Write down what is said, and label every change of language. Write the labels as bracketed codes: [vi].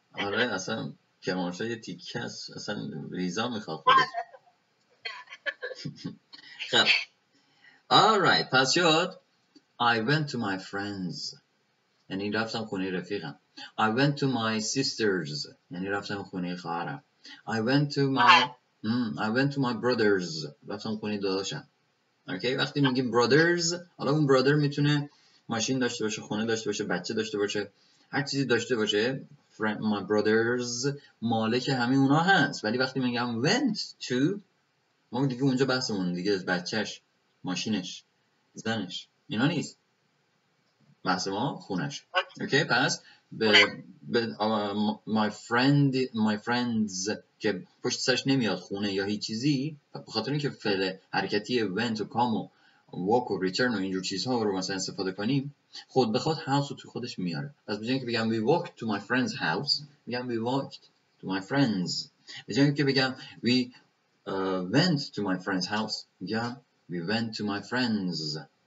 [fa] آره اصلا کرمانشاه یه تیکه است، اصلا ریزا میخواد خودش. خب آرایت، پس شد [en] I went to my friends [fa] یعنی رفتم خونه رفیقم. [en] I went to my sisters [fa] یعنی رفتم خونه خواهرم. [en] I went to my I went to my brothers. [fa] رفتم خونه داداشم. اوکی؟ وقتی میگیم brothers، حالا اون brother میتونه ماشین داشته باشه، خونه داشته باشه، بچه داشته باشه، هر چیزی داشته باشه. [en] Friend, my brothers [fa] مالک همه اونا هست. ولی وقتی میگم [en] went to، [fa] ما دیگه اونجا بحثمون دیگه از بچهش، ماشینش، زنش، اینا نیست. بحث ما خونش. اوکی؟ پس به [en] my friends [fa] که پشت سرش نمیاد خونه یا هیچ چیزی، بخاطر اینکه فعل حرکتی went و come و walk و return و اینجور چیزها رو مثلا استفاده کنیم، خود به خود house رو تو خودش میاره. پس بجای اینکه بگم [en] we walked to my friend's house، [fa] میگم [en] we walked to my friends. [fa] بجای اینکه بگم [en] we went to my friend's house، [fa] میگم [en] we went to my friends.